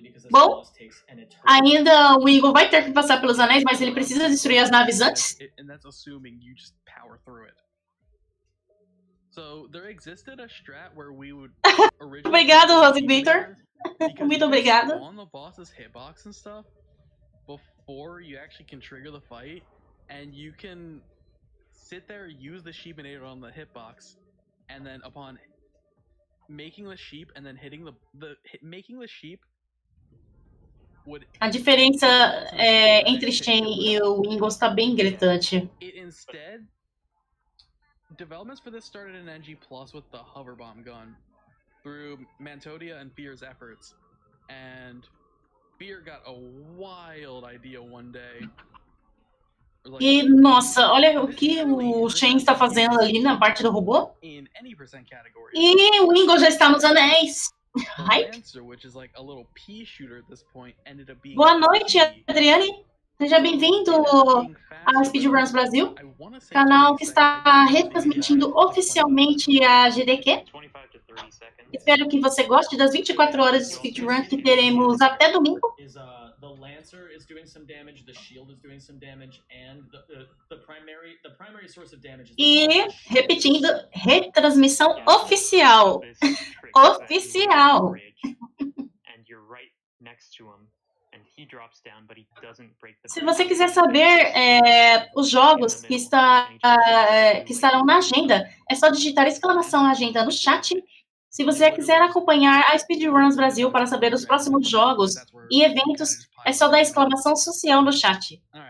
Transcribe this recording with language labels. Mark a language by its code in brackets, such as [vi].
[pt] Bom, ainda o Ingo vai ter que passar pelos anéis, mas ele precisa destruir as naves antes. [en] And that's assuming you just power through it. So there existed a strat where we would [pt] Obrigado, Rosigator. Muito obrigado. [en] On the boss's hitbox and stuff before you actually can trigger the fight and you can sit there use the sheepinator on the hitbox and then upon making the sheep and then hitting the making the sheep would [pt] A diferença entre Shen e o Ingo está bem gritante. [en] It instead Developments for this started in NG Plus with the hover bomb gun through Mantodia and Fear's efforts. And Fear got a wild idea one day. [pt] Like, e nossa, olha o que o Shen está fazendo ali na parte do robô. [en] In any percent category. [pt] E o Ingo já está nos anéis. Hype. [en] Which is like a little pea shooter at this point ended up being [pt] Boa noite, Adriane. Seja bem-vindo à Speedruns Brasil, canal que está retransmitindo oficialmente a GDQ. Espero que você goste das 24 horas de Speedrun que teremos até domingo. [en] The Lancer is doing some damage, the shield is doing some damage, and the primary source of damage is the [pt] E, repetindo, retransmissão oficial. Oficial. [en] And you're right next to him. And he drops down, but he doesn't break the [pt] Se você quiser saber os jogos que estarão na agenda, é só digitar exclamação agenda no chat. Se você quiser acompanhar a Speedruns Brasil para saber os próximos jogos e eventos, é só dar exclamação social no chat.